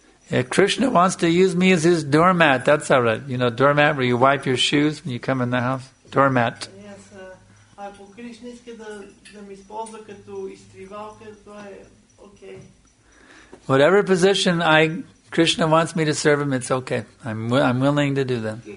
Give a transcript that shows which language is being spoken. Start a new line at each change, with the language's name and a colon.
English: Yeah, Krishna wants to use me as his doormat. That's all right. You know, doormat where you wipe your shoes when you come in the house. Doormat.
Bulgarian: Yes, ако Кришна иска да ми използва като изтривалка, то е okay.
English: Whatever position Krishna wants me to serve him, it's okay. I'm willing to do that.